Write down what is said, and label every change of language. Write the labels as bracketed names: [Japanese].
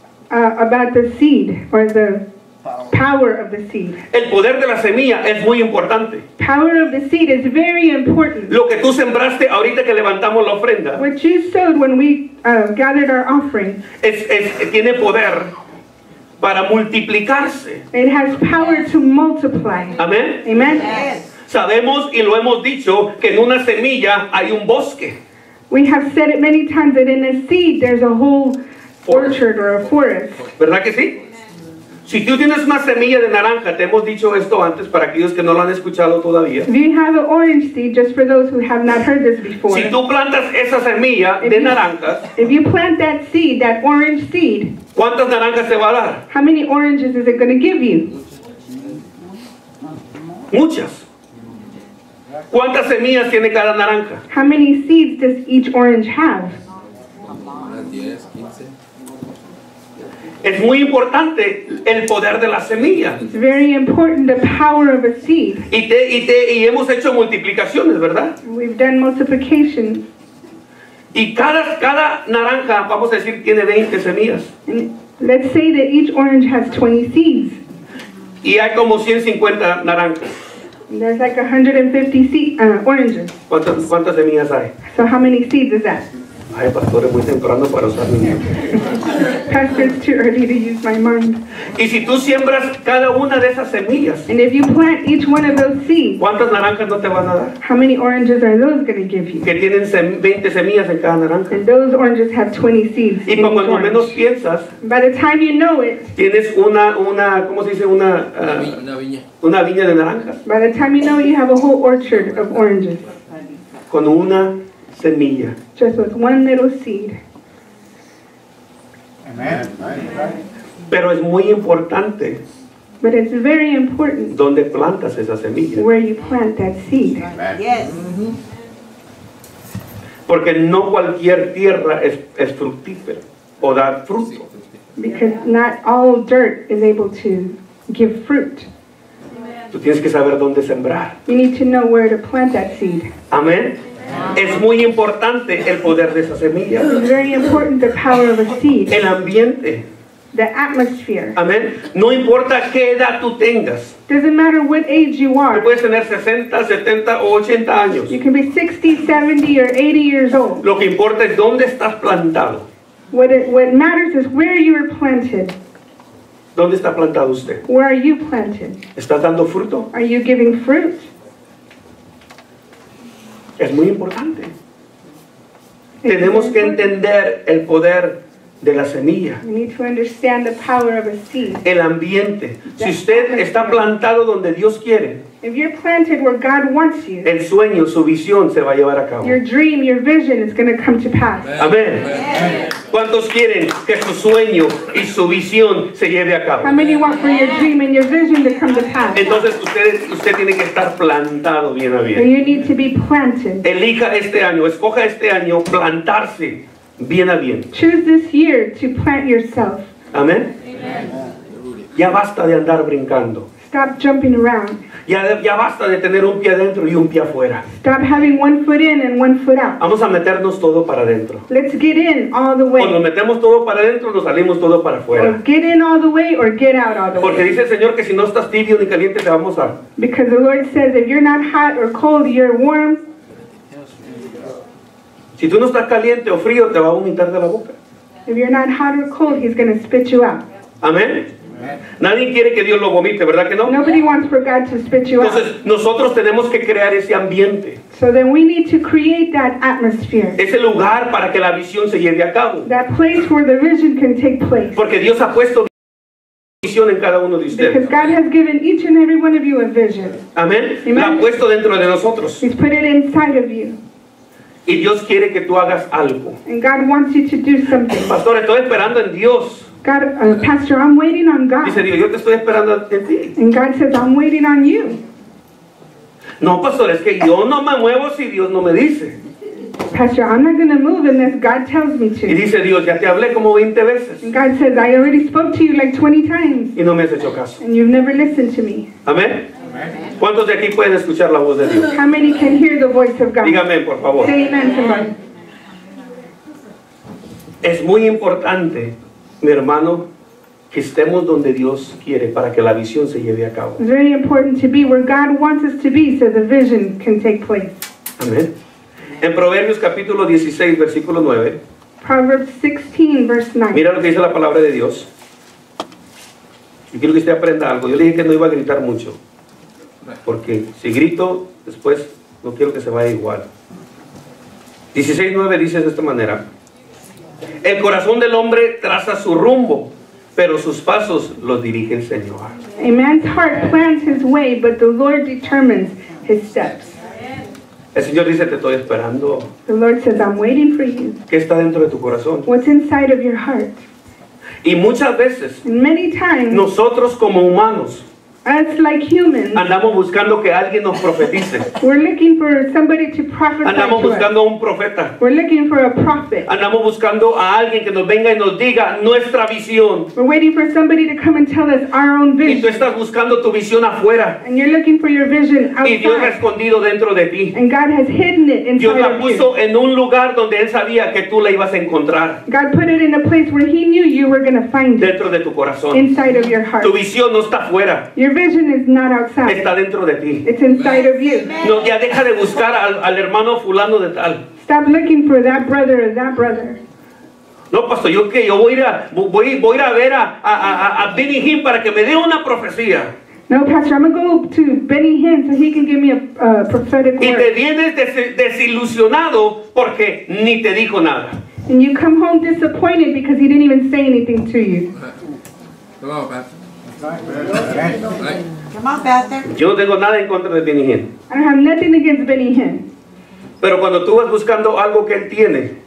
[English] About the seed or the power of the seed. [Spanish] El poder de la semilla es muy importante. [English] Power of the seed is very important. [Spanish] Lo que tú sembraste ahorita que levantamos la ofrenda. [English] What you sowed when we gathered our offering. [Spanish] Tiene poder para multiplicarse. [English] It has power to multiply. [Spanish] Amén. [English] Amen. Yes. [Spanish] Sabemos y lo hemos dicho que en una semilla hay un bosque. [English] We have said it many times that in a seed there's a whole orchard or a forest. [Spanish] ¿Verdad que sí? Si tú tienes una semilla de naranja, te hemos dicho esto antes para aquellos que no lo han escuchado todavía. [English] If you have an orange seed, just for those who have not heard this before. [Spanish] Si tú plantas esa semilla de naranjas, [English] if you plant that seed, that orange seed, [Spanish] ¿cuántas naranjas te va a dar? [English] How many oranges is it going to give you? [Spanish] Muchas. ¿Cuántas semillas tiene cada naranja? [English] How many seeds does each orange have? 10, 15. [Spanish] Es muy importante el poder de la semilla. [English] It's very important the power of a seed. [Spanish] Y hemos hecho multiplicaciones, ¿verdad? [English] We've done multiplication. [Spanish] Y cada naranja, vamos a decir, tiene 20 semillas. [English] And let's say that each orange has 20 seeds. [Spanish] Y hay como 150 naranjas. [English] There's like 150 oranges. [Spanish] ¿Cuántas semillas hay? [English] So how many seeds is that? [Spanish] Ay, pastor, es muy temprano para usar mi mente. [English] Pastor, it's too early to use my mind. [Spanish] Y si tú siembras cada una de esas semillas. [English] And if you plant each one of those seeds. [Spanish] ¿Cuántas naranjas no te van a dar? [English] How many oranges are those going to give you? [Spanish] Que tienen 20 semillas en cada naranja. [English] And those oranges have 20 seeds. [Spanish] Y para cuando menos piensas. [English] By the time you know it. [Spanish] Tienes una ¿cómo se dice? Una viña. Una viña de naranjas. [English] By the time you know it, you have a whole orchard of oranges. [Spanish] Con una semilla. [English] Just with one little seed. Amen. [Spanish] Pero es muy importante. [English] But it's very important. [Spanish] Donde plantas esa semilla. [English] Where you plant that seed. Amen. Yes. [Spanish] Porque no cualquier tierra es fructífera o da fruto. [English] Because not all dirt is able to give fruit. [Spanish] Tú tienes que saber dónde sembrar. [English] You need to know where to plant that seed. [Spanish] Amén. Es muy importante el poder de esa semilla. [English] It's very important the power of a seed. [Spanish] El ambiente. [English] The atmosphere. [Spanish] Amén. No importa qué edad tú tengas. [English] Doesn't matter what age you are. [Spanish] Tú puedes tener 60, 70 o 80 años. [English] You can be 60, 70 or 80 years old. [Spanish] Lo que importa es dónde estás plantado. [English] What matters is where you are planted. [Spanish] ¿Dónde está plantado usted? [English] Where are you planted? [Spanish] ¿Estás dando fruto? [English] Are you giving fruit? [Spanish] Es muy importante. Tenemos que entender el poder de la semilla. [English] You need to understand the power of a seed. [Spanish] El ambiente. Si usted está plantado donde Dios quiere, [English] if you're planted where God wants you, [Spanish] el sueño, su visión se va a llevar a cabo. [English] Your dream, your vision is going to come to pass. [Spanish] Amén. ¿Cuántos quieren que su sueño y su visión se lleve a cabo? [English] How many want for your dream and your vision to come to pass? [Spanish] Entonces usted tiene que estar plantado bien a bien. [English] So you need to be planted. [Spanish] Elija este año, escoja este año plantarse bien a bien. [English] Choose this year to plant yourself. [Spanish] Amén. [English] Amen. [Spanish] Ya basta de andar brincando. [English] Stop jumping around. [Spanish] Ya basta de tener un pie adentro y un pie afuera. [English] Stop having one foot in and one foot out. [Spanish] Vamos a meternos todo para adentro. [English] Let's get in all the way. [Spanish] O nos metemos todo para adentro, nos salimos todo para afuera. [English] Or get in all the way or get out all the way. [Spanish] Porque dice el Señor que si no estás tibio ni caliente te vamos a... [English] Because the Lord says if you're not hot or cold, you're warm. [Spanish] Si tú no estás caliente o frío, te va a vomitar de la boca. [English] If you're not hot or cold, he's going to spit you out. [Spanish] Amén. Nadie quiere que Dios lo vomite, ¿verdad que no? [English] Nobody wants for God to spit you out. [Spanish] Entonces, nosotros tenemos que crear ese ambiente. [English] So then we need to create that atmosphere. [Spanish] Ese lugar para que la visión se lleve a cabo. [English] That place where the vision can take place. [Spanish] Porque Dios ha puesto visión en cada uno de ustedes. [English] Because God has given each and every one of you a vision. [Spanish] Amén. [English] Amen. [Spanish] La ha puesto dentro de nosotros. [English] He's put it inside of you. [Spanish] Y Dios quiere que tú hagas algo. [English] And God wants you to do something. [Spanish] Pastor, estoy esperando en Dios. [English] God, Pastor, I'm waiting on God. [Spanish] Dice Dios, yo te estoy esperando en ti. [English] And God says, I'm waiting on you. [Spanish] No, Pastor, es que yo no me muevo si Dios no me dice. [English] Pastor, I'm not going to move unless God tells me to. [Spanish] Y dice Dios, ya te hablé como 20 veces. [English] And God says, I already spoke to you like 20 times. [Spanish] Y no me has hecho caso. [English] And you've never listened to me. [Spanish] Amén. ¿Cuántos de aquí pueden escuchar la voz de Dios? [English] How many can hear the voice of God? [Spanish] Dígame, por favor. [English] Say amen to God. [Spanish] Es muy importante, mi hermano, que estemos donde Dios quiere para que la visión se lleve a cabo. [English] It's very important to be where God wants us to be so the vision can take place. [Spanish] Amén. En Proverbios capítulo 16, versículo 9. [English] Proverbs 16, verse 9. [Spanish] Mira lo que dice la palabra de Dios. Yo quiero que usted aprenda algo. Yo le dije que no iba a gritar mucho. Porque si grito, después no quiero que se vaya igual. 16, 9 dice de esta manera. El corazón del hombre traza su rumbo, pero sus pasos los dirige el Señor. [English] A man's heart plans his way, but the Lord determines his steps. [Spanish] El Señor dice, te estoy esperando. [English] The Lord says, I'm waiting for you. [Spanish] ¿Qué está dentro de tu corazón? [English] What's inside of your heart? [Spanish] Y muchas veces, [English] and many times, [Spanish] nosotros como humanos, [English] us like humans, [Spanish] andamos buscando que alguien nos profetice. [English] We're looking for somebody to prophesy. [Spanish] Andamos buscando a un profeta. [English] We're looking for a prophet. [Spanish] Andamos buscando a alguien que nos venga y nos diga nuestra visión. [English] We're waiting for somebody to come and tell us our own vision. [Spanish] Y tú estás buscando tu visión afuera. [English] And you're looking for your vision outside. [Spanish] Y Dios ha escondido dentro de ti. [English] And God has hidden it inside of you. [Spanish] Dios la puso en un lugar donde él sabía que tú la ibas a encontrar. [English] God put it in a place where he knew you were going to find it. [Spanish] Dentro de tu corazón. [English] Inside of your heart. [Spanish] Tu visión no está afuera. [English] Your vision is not outside. [Spanish] Está dentro de ti. [English] It's inside of you. [Spanish] No, ya deja de buscar al hermano fulano de tal. [English] Stop looking for that brother or that brother. [Spanish] No, pastor, yo qué, yo voy a ir a ver a Benny Hinn para que me dé una profecía. [English] No, pastor, I'm gonna go to Benny Hinn so he can give me a prophetic word. [Spanish] Y te vienes desilusionado porque ni te dijo nada. [English] And you come home disappointed because he didn't even say anything to you. Come on, pastor. Come on, Pastor. [Spanish] Yo no tengo nada en contra de Benny Hinn. [English] I don't have nothing against Benny Hinn. [Spanish] Pero cuando tú vas buscando algo que él tiene,